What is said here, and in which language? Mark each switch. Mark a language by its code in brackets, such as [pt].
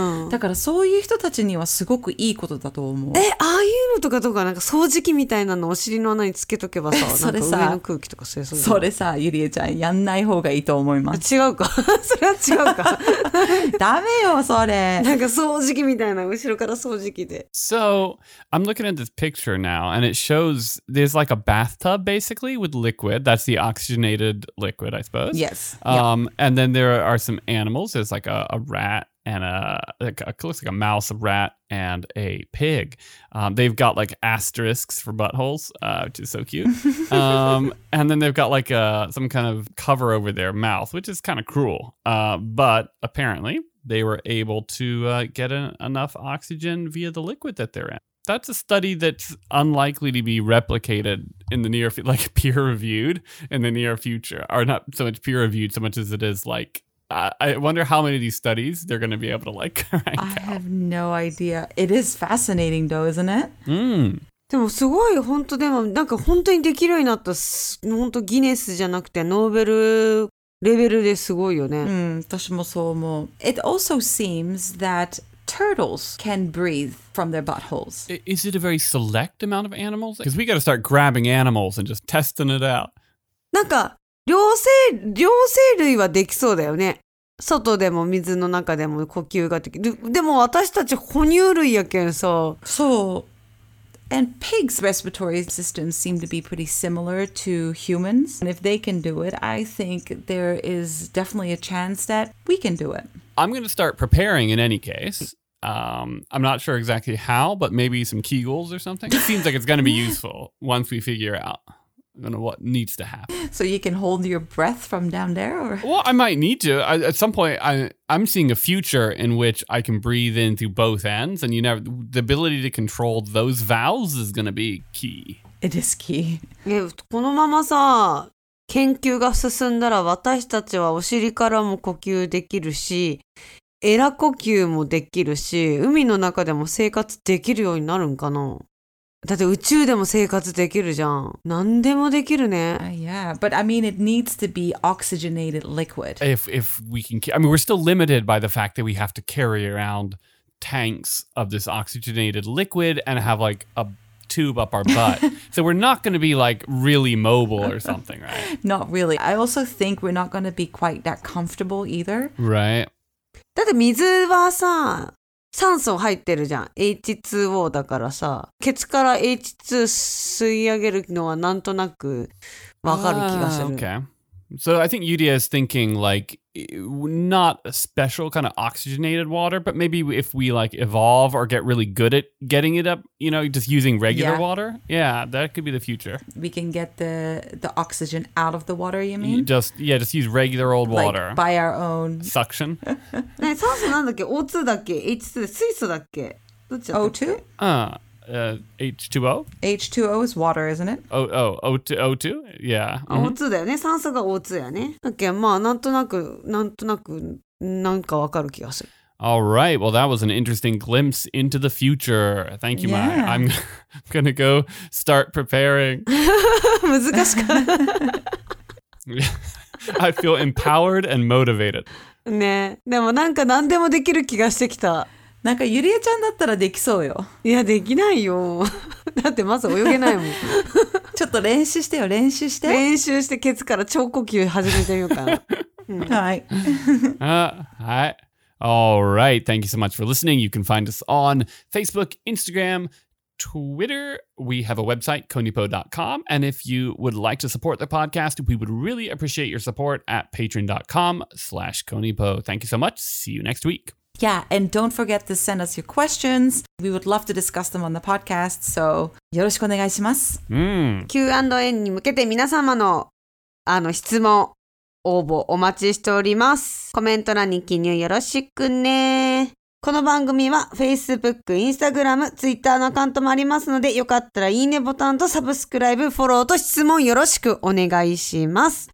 [ja] だからそういう人たちにはすごくいいことだと思う。ああいうのとかなんか掃除機みたいなのお尻の穴につけとけばさ、それさ、なんか上の空気とか吸えそうだ。それさ、ゆりえちゃん、やんない方がいいと思います。違うか。それは違うか。ダメよ、それ。なんか掃除機みたいな、後ろから掃除機で。 [en] So, I'm looking at this picture now, and it shows there's like a bathtub, basically, with liquid. That's the oxygenated liquid, I suppose. Yes. And then there are some animals. There's like a rat and a mouse, a rat, and a pig. They've got like asterisks for buttholes, which is so cute. and then they've got like some kind of cover over their mouth, which is kind of cruel. But apparently they were able to get enough oxygen via the liquid that they're in. That's a study that's unlikely to be replicated in the near future, like peer-reviewed in the near future. Or not so much peer-reviewed so much as it is like... I wonder how many of these studies they're going to be able to like crank out. I have no idea. It is fascinating though, isn't it? [ja] でもすごい本当でもなんか本当にできるようになった本当ギネスじゃなくてノーベルレベルですごいよね。私もそう思う。 [en] It also seems that turtles can breathe from their buttholes. Is it a very select amount of animals? Because we got to start grabbing animals and just testing it out. [ja] なんか両生類はできそうだよね。外でも水の中でも呼吸ができる。でも私たち哺乳類やけんさ。 [en] そう。And pigs' respiratory systems seem to be pretty similar to humans. And if they can do it, I think there is definitely a chance that we can do it. I'm going to start preparing in any case. I'm not sure exactly how, but maybe some Kegels or something. It seems like it's going to be useful once we figure out. I don't know what needs to happen. So you can hold your breath from down there? Or? Well, I might need to. At some point, I'm seeing a future in which I can breathe in through both ends. And you never, the ability to control those valves is going to be key. It is key. [ja] このままさ、研究が進んだら私たちはお尻からも呼吸できるし、エラ呼吸もできるし、海の中でも生活できるようになるんかな。だって宇宙でも生活できるじゃん。何でもできるね。 [en] Yeah, but I mean, it needs to be oxygenated liquid. If we can, I mean, we're still limited by the fact that we have to carry around tanks of this oxygenated liquid and have like a tube up our butt. So we're not going to be like really mobile or something, right? Not really. I also think we're not going to be quite that comfortable either. Right. [ja] だって水はさ、酸素入ってるじゃん。 H2O だからさ、ケツから H2 吸い上げるのはなんとなくわかる気がする。 [en] Okay. So I think Yudia is thinking like, not a special kind of oxygenated water, but maybe if we like evolve or get really good at getting it up, you know, just using regular water. Yeah, that could be the future. We can get the oxygen out of the water, you mean? Just use regular old water. Like by our own. Suction. O2? H2O? H2O is water, isn't it? O2? Yeah. [ja] Mm-hmm. O2 だよね。酸素が O2 だよね。 Okay, まあ、なんとなく、なんかわかる気がする。 [en] All right, well, that was an interesting glimpse into the future. Thank you, Mai. I'm gonna go start preparing. [ja] 難しかった。 [en] I feel empowered and motivated. [ja] ね、でもなんか何でもできる気がしてきた。なんかユリアちゃんだったらできそうよ。いや、できないよ。だってまず泳げないもん。ちょっと練習してよ、練習して。練習して、ケツから超呼吸始めてみようかな。はい。 [en] はい。All right. Thank you so much for listening. You can find us on Facebook, Instagram, Twitter. We have a website, konnichiwa.com. And if you would like to support the podcast, we would really appreciate your support at patreon.com/konnichiwa. Thank you so much. See you next week. Yeah, and don't forget to send us your questions. We would love to discuss them on the podcast, so [ja] よろしくお願いします。 Q&A に向けて皆様の、質問、応募お待ちしております。コメント欄に記入よろしくね。この番組は Facebook、Instagram、Twitter のアカウントもありますので、よかったらいいねボタンとサブスクライブ、フォローと質問よろしくお願いします。